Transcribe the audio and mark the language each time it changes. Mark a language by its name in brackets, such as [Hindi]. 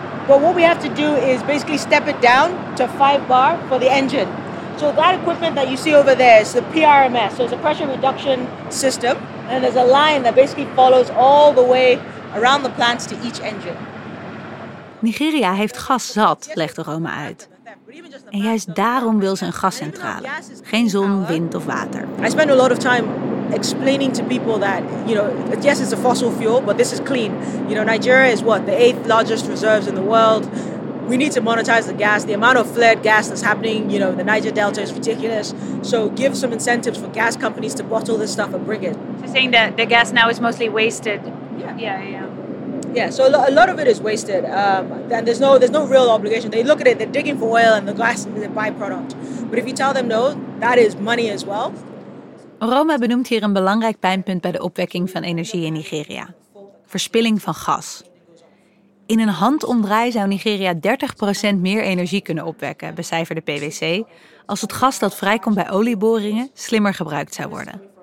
[English] But what we have to do is basically step it down to 5 bar for the engine. So that equipment that you see over there is the PRMS. So it's a pressure reduction system. And there's a line that basically follows all the way around the plants to each engine. [Dutch] Nigeria heeft gas zat, legt de Roma uit. En juist daarom wil ze een gascentrale. Geen zon, wind of water. [English] I spend a lot of time explaining to people that, you know, yes, it's a fossil fuel, but this is clean. You know, Nigeria is what, the 8th largest reserves in the world. We need to monetize the gas. The amount of flared gas that's happening, you know, the Niger Delta is ridiculous. So give some incentives for gas companies to bottle this stuff and bring it. So saying that the gas now is mostly wasted. Yeah, so a lot of it is wasted. And there's no real obligation. They look at it, they're digging for oil and the gas is a byproduct. But if you tell them no, that is money as well. [Dutch] Roma benoemt hier een belangrijk pijnpunt bij de opwekking van energie in Nigeria. Verspilling van gas. In een handomdraai zou Nigeria 30% meer energie kunnen opwekken, becijferde PwC, als het gas dat vrijkomt bij olieboringen slimmer gebruikt zou worden.